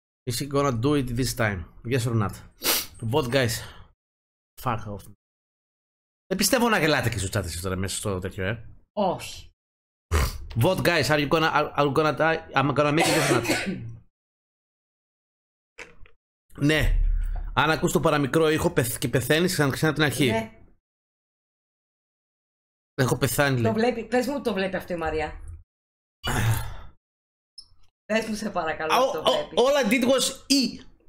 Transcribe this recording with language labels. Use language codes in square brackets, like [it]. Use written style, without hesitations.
[en] Is he gonna do it this time? Yes or not? For both guys. Fuck off. [el] Δεν πιστεύω να γελάτε και στο chat τώρα μέσα στο τέτοιο, ε. Όχι. [en] Both guys, are you gonna make it this night? [el] Ναι. Αν ακούς το παραμικρό ήχο και πεθαίνεις, ξανά από την αρχή. Ναι. Έχω πεθάνει. Το βλέπει. Πες μου το βλέπει αυτό η Μαρία. Πες μου σε παρακαλώ το βλέπει. [en] All I did was E.